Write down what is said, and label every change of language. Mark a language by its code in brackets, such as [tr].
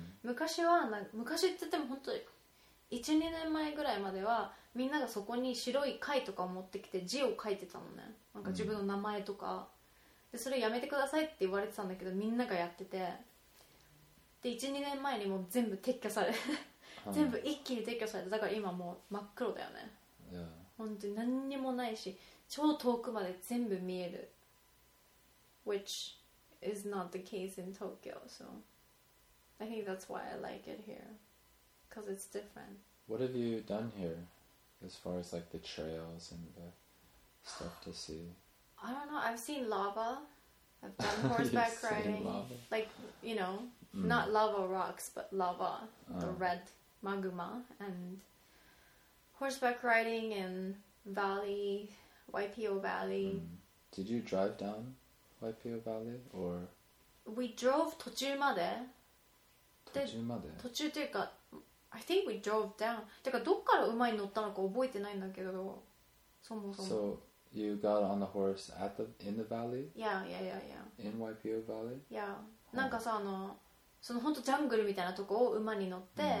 [ja] 昔は、昔って言っても本当1、2年前ぐらいまでは みんながそこに白い貝とかを持ってきて字を書いてたのね。なんか自分の名前とか。で、それやめてくださいって言われてたんだけど、みんながやってて。で、1、2年前にもう全部撤去され。全部一気に撤去された。だから今もう真っ黒だよね。本当に何にもないし、超遠くまで全部見える。 [en] Which is not the case in Tokyo, so I think that's why I like it here. Because it's different. What have you done here? As far as like the trails and the stuff to see, I don't know. I've seen lava. I've done horseback riding. Like, you know, not lava rocks, but lava, the red magma, and horseback riding in Valley, Waipio Valley. Did you drive down Waipio Valley or? We drove [ja] 途中まで. 途中まで. 途中というか. [en] I think we drove down. [ja] てかどっから馬に乗ったのか覚えてないんだけど、 そもそも。 [en] So you got on the horse at the in the valley? Yeah. In Waipio Valley? Yeah. [ja] なんかさ、その本当ジャングルみたいなとこを馬に乗って。